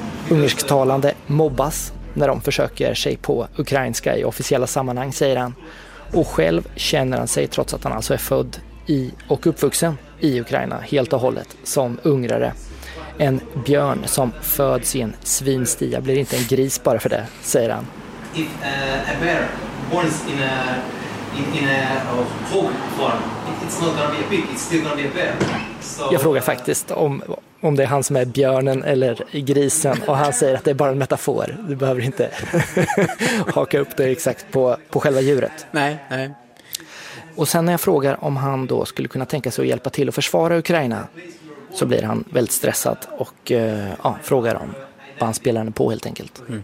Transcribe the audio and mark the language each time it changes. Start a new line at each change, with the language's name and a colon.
Swedish: Ungersktalande mobbas när de försöker sig på ukrainska i officiella sammanhang, säger han. Och själv känner han sig, trots att han alltså är född i och uppvuxen i Ukraina helt och hållet, som ungrare. En björn som föds i en svinstia blir inte en gris bara för det, säger han.
English: If a bear born in a hog farm, it's not gonna be a pig, it's still gonna be a bear.
Swedish: So, jag frågar faktiskt om det är han som är björnen eller grisen, och han säger att det är bara en metafor. Du behöver inte haka upp det exakt på själva djuret. Nej. Och sen när jag frågar om han då skulle kunna tänka sig att hjälpa till att försvara Ukraina, så blir han väldigt stressad och frågar om bandspelaren på, helt enkelt.